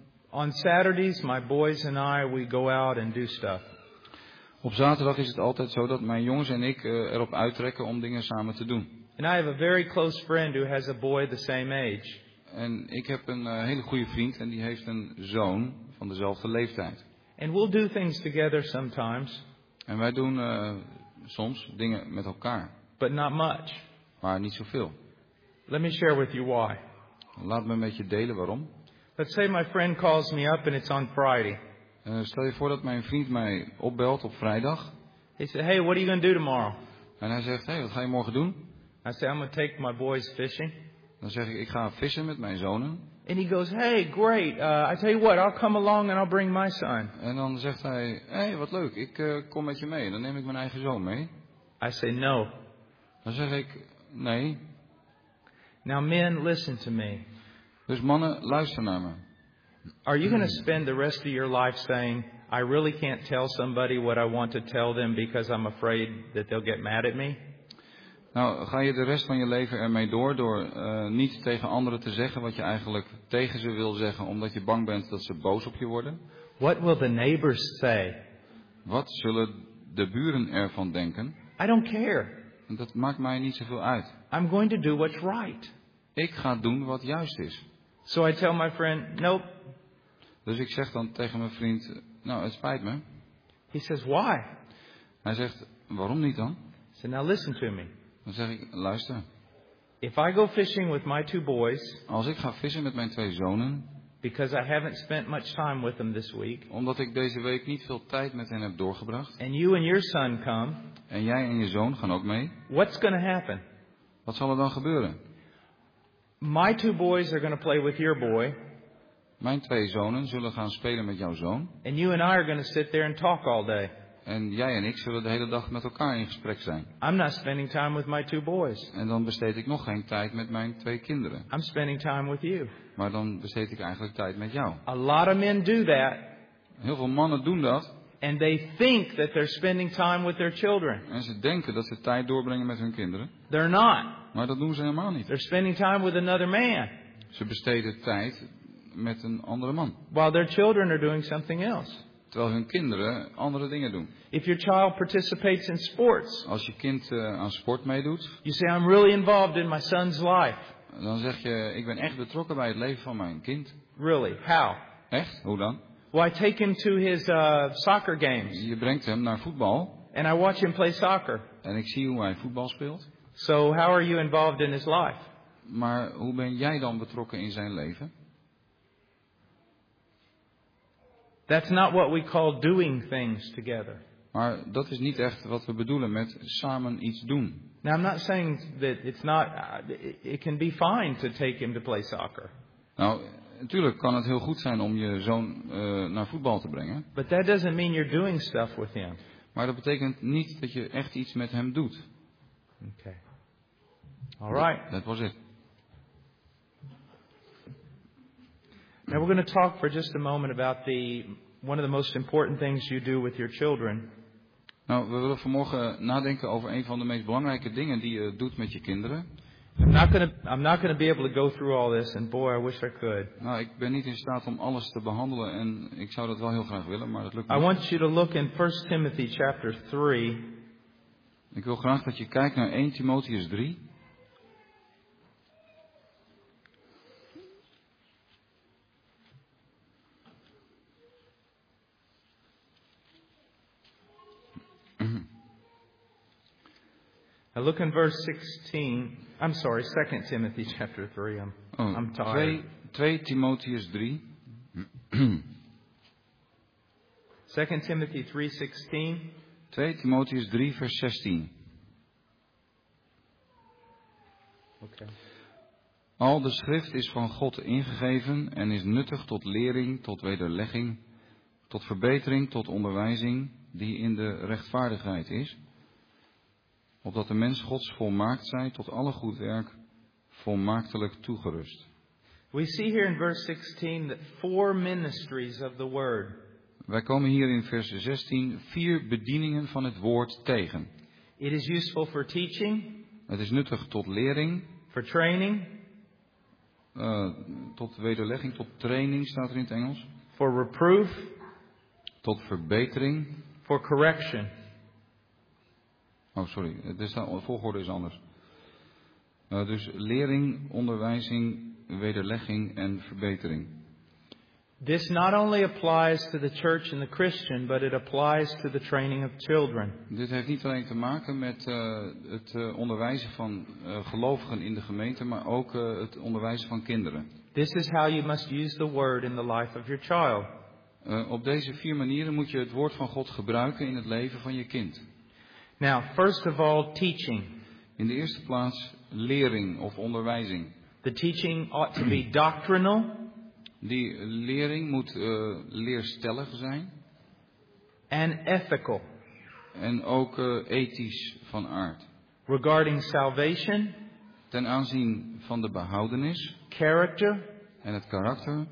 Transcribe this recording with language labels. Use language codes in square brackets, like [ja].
[en] On Saturdays, my boys and I, we go out and do stuff. [nl] Op zaterdag is het altijd zo dat mijn jongens en ik erop uittrekken om dingen samen te doen. [en] And I have a very close friend who has a boy the same age. [nl] En ik heb een hele goede vriend en die heeft een zoon van dezelfde leeftijd. [en] And we'll do things together sometimes. [nl] En wij doen soms dingen met elkaar. [en] But not much. [nl] Maar niet zoveel. [en] Let me share with you why. [nl] Laat me met je delen waarom. [en] Let's say my friend calls me up and it's on Friday. [nl] Stel je voor dat mijn vriend mij opbelt op vrijdag. [en] He said, "Hey, what are you going to do tomorrow?" [nl] En hij zegt, "Hey, wat ga je morgen doen?" [en] I say, "I'm going to take my boys fishing." [nl] Dan zeg ik, "Ik ga vissen met mijn zonen." [en] And he goes, "Hey, great. I tell you what, I'll come along and I'll bring my son." [nl] En dan zegt hij, "Hey, wat leuk. Ik kom met je mee. Dan neem ik mijn eigen zoon mee." [en] I say, "No." [nl] Dan zeg ik, "Nee." [en] Now, men, listen to me. [nl] Dus mannen, luister naar me. [en] Are you going to spend the rest of your life saying, "I really can't tell somebody what I want to tell them because I'm afraid that they'll get mad at me"? [nl] Nou, ga je de rest van je leven ermee door niet tegen anderen te zeggen wat je eigenlijk tegen ze wil zeggen, omdat je bang bent dat ze boos op je worden? [en] What will the neighbors say? [nl] Wat zullen de buren ervan denken? [en] I don't care. [nl] En dat maakt mij niet zoveel uit. [en] I'm going to do what's right. [nl] Ik ga doen wat juist is. [en] So I tell my friend, "Nope." [nl] Dus ik zeg dan tegen mijn vriend, "Nou, het spijt me." [en] He says, "Why?" [nl] Hij zegt, "Waarom niet dan?" [en] So now listen to me. [nl] Dan zeg ik, luister. [en] If I go fishing with my two boys, [nl] als ik ga vissen met mijn twee zonen, [en] because I haven't spent much time with them this week, [nl] omdat ik deze week niet veel tijd met hen heb doorgebracht, [en] and you and your son come, [nl] en jij en je zoon gaan ook mee, [en] what's going to happen? [nl] Wat zal er dan gebeuren? [en] My two boys are going to play with your boy. [nl] Mijn twee zonen zullen gaan spelen met jouw zoon. [en] And you and I are going to sit there and talk all day. [nl] En jij en ik zullen de hele dag met elkaar in gesprek zijn. [en] I'm not spending time with my two boys. [nl] En dan besteed ik nog geen tijd met mijn twee kinderen. [en] I'm spending time with you. [nl] Maar dan besteed ik eigenlijk tijd met jou. [en] A lot of men do that. [nl] Heel veel mannen doen dat. [en] And they think that they're spending time with their children. [nl] En ze denken dat ze tijd doorbrengen met hun kinderen. [en] They're not. [nl] Maar dat doen ze helemaal niet. [en] They're spending time with another man. [nl] Ze besteden tijd met een andere man. [en] While their children are doing something else. [nl] Terwijl hun kinderen andere dingen doen. [en] If your child participates in sports. [nl] Als je kind aan sport meedoet. [en] You say, "I'm really involved in my son's life." [nl] Dan zeg je, ik ben echt betrokken bij het leven van mijn kind. [en] Really? How? [nl] Echt? Hoe dan? [en] Well, I take him to his soccer games. [nl] Je brengt hem naar voetbal. [en] And I watch him play soccer. [nl] En ik zie hoe hij voetbal speelt. [en] So how are you involved in his life? [nl] Maar hoe ben jij dan betrokken in zijn leven? [en] That's not what we call doing things together. [nl] Maar dat is niet echt wat we bedoelen met samen iets doen. [en] Now I'm not saying that it's not it can be fine to take him to play soccer. [nl] Nou, natuurlijk kan het heel goed zijn om je zoon naar voetbal te brengen. [en] But that doesn't mean you're doing stuff with him. [nl] Maar dat betekent niet dat je echt iets met hem doet. [en] Okay. All right. That was it. Now we're going to talk for just a moment about the one of the most important things you do with your children. [nl] Nou, we willen vanmorgen nadenken over een van de meest belangrijke dingen die je doet met je kinderen. [en] I'm not gonna be able to go through all this, and boy, I wish I could. [nl] Nou, ik ben niet in staat om alles te behandelen, en ik zou dat wel heel graag willen, maar dat lukt niet. [en] I want you to look in 1 Timothy chapter 3. [nl] Ik wil graag dat je kijkt naar 1 Timotheus 3. [en] Now look in verse 16. I'm sorry, 2 Timothy chapter 3. I'm tired. [nl] 2 Timotheus 3. [en] 2 Timothy 3:16. [nl] 2 Timotheus 3 vers 16. [en] Okay. [nl] Al de schrift is van God ingegeven en is nuttig tot lering, tot wederlegging, tot verbetering, tot onderwijzing die in de rechtvaardigheid is. Opdat de mens Gods volmaakt zij tot alle goed werk volmaaktelijk toegerust. [en] We see here in verse 16 that four ministries of the word. [nl] Wij komen hier in vers 16 vier bedieningen van het woord tegen. [en] It is useful for teaching. [nl] Het is nuttig tot lering. [en] For training. [nl] Tot wederlegging, tot training staat er in het Engels. [en] For reproof. [nl] Tot verbetering. [en] For correction. [nl] Oh, sorry. De volgorde is anders. Dus lering, onderwijzing, wederlegging en verbetering. [en] This not only applies to the church and the Christian, but it applies to the training of children. [nl] Dit heeft niet alleen te maken met het onderwijzen van gelovigen in de gemeente, maar ook het onderwijzen van kinderen. [en] This is how you must use the word in the life of your child. [nl] Op deze vier manieren moet je het woord van God gebruiken in het leven van je kind. [en] Now, first of all, teaching. [nl] In de eerste plaats lering of onderwijzing. [en] The teaching ought to be doctrinal. [nl] Die lering moet leerstellig zijn. [en] And ethical. [nl] En ook ethisch van aard. [en] Regarding salvation. [nl] Ten aanzien van de behoudenis. [en] Character. [nl] En het karakter.